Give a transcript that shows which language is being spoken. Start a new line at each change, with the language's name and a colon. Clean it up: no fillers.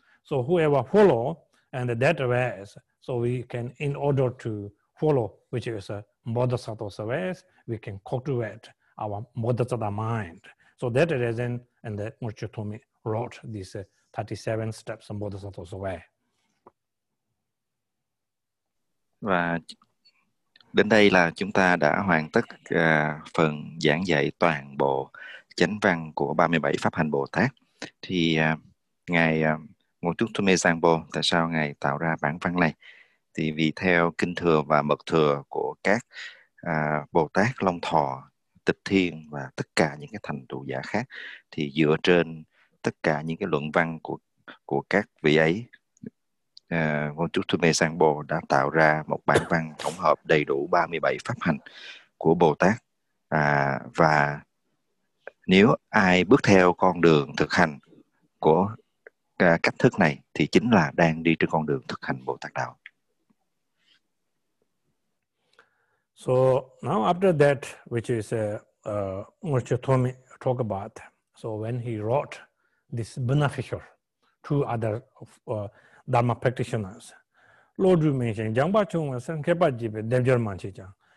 English: So whoever follow and that way, so we can, in order to follow, which is a Bodhisattva's ways, we can cultivate our Bodhisattva mind. So that reason, and that Mochotomi wrote this 37 steps Bodhisattva's way. Right.
Vietnamese: Đến đây là chúng ta đã hoàn tất phần giảng dạy toàn bộ chánh văn của 37 pháp hành Bồ Tát. Thì Ngài Ngôn Trúc Thu Mê Giang Bồ, tại sao Ngài tạo ra bản văn này? Thì vì theo kinh thừa và mật thừa của các Bồ Tát Long Thọ, Tịch Thiên và tất cả những cái thành tựu giả khác, thì dựa trên tất cả những cái luận văn của các vị ấy, Ngôn Trúc Thu Mê Giang Bồ đã tạo ra một bản văn tổng hợp đầy đủ 37 pháp hành của Bồ Tát. Và nếu ai bước theo con đường thực hành của cách thức này thì chính là đang đi trên con đường thực hành Bồ Tát Đạo.
English: So now after that, which is Ngôn Trúc Thu Mê talk about, so when he wrote this beneficial to other Dharma practitioners. Lord, you mentioned, Jangba Chung was sent Kepa Jibe, Devjar Manchicha.